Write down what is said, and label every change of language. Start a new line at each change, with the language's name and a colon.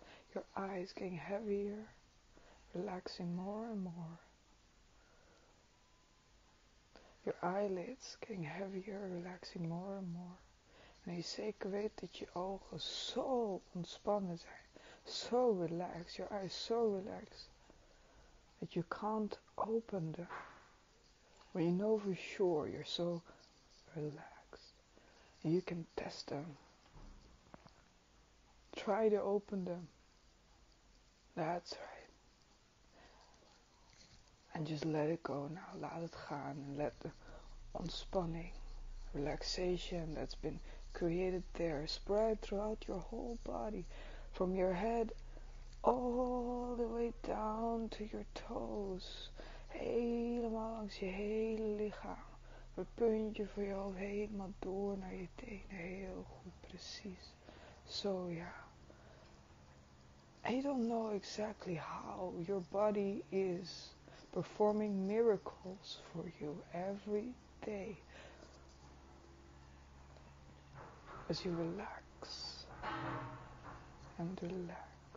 English: Your eyes getting heavier, relaxing more and more. Your eyelids getting heavier, relaxing more and more.
Dutch: En je zeker weet dat je ogen zo ontspannen zijn.
English: So relaxed, your eyes so relaxed. That you can't open them. When you know for sure you're so relaxed. And you can test them. Try to open them. That's right. And just let it go now.
Dutch: Laat het gaan.
English: And let the ontspanning, relaxation that's been created there spread throughout your whole body. From your head all the way down to your toes.
Dutch: Helemaal langs je hele lichaam. Het puntje van je hoofd helemaal door naar je tenen. Heel goed, precies. Zo, ja.
English: I don't know exactly how your body is performing miracles for you every day. As you relax. And relax.